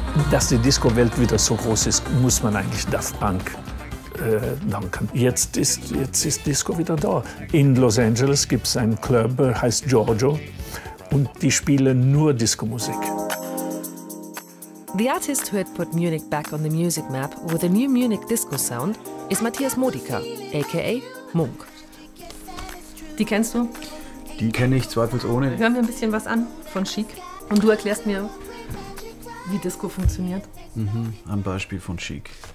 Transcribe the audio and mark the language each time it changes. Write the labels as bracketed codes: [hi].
[de] Dass die Disco-Welt wieder so groß ist, muss man eigentlich Daft Punk danken. Jetzt ist Disco wieder da. In Los Angeles gibt es einen Club, heißt Giorgio, und die spielen nur Disco-Musik. [en] The artist who had put Munich back on the music map with a new Munich Disco Sound is Matthias Modica, a.k.a. Munk. [de] Die kennst du? Die kenne ich zweifelsohne. Hören wir ein bisschen was an von Chic und du erklärst mir, wie Disco funktioniert. Mhm, ein Beispiel von Chic.